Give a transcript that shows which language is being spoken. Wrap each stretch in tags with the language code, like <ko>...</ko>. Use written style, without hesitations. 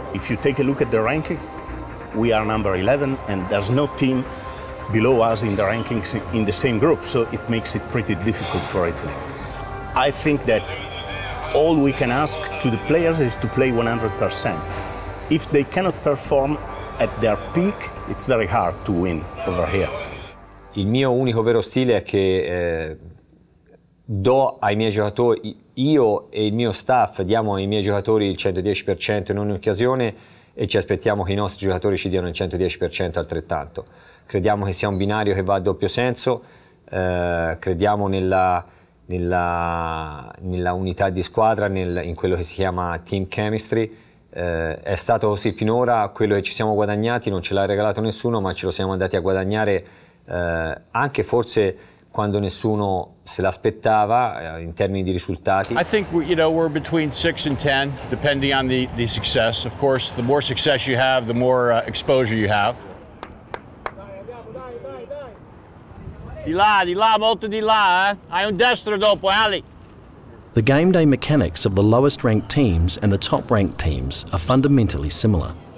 <en>If you take a look at the ranking, we are number 11 and there's no team below us in the rankings in the same group, so it makes it pretty difficult for Italy. I think that all we can ask to the players is to play 100%. If they cannot perform at their peak, it's very hard to win over here.</en> <it>Il mio unico vero stile è che do ai miei giocatori, io e il mio staff diamo ai miei giocatori il 110% in ogni occasione e ci aspettiamo che I nostri giocatori ci diano il 110% altrettanto. Crediamo che sia un binario che va a doppio senso, crediamo nella unità di squadra, in quello che si chiama team chemistry. È stato così finora, quello che ci siamo guadagnati non ce l'ha regalato nessuno, ma ce lo siamo andati a guadagnare anche forse quando nessuno se l'aspettava in termini di risultati.</it> <en>I think we're between 6 and 10 depending on the success. Of course, the more success you have, the more exposure you have.</en> <it>Di là, molto di là, eh? Hai un destro dopo, Ali.</it> <en>The game day mechanics of the lowest ranked teams and the top ranked teams are fundamentally similar.</en>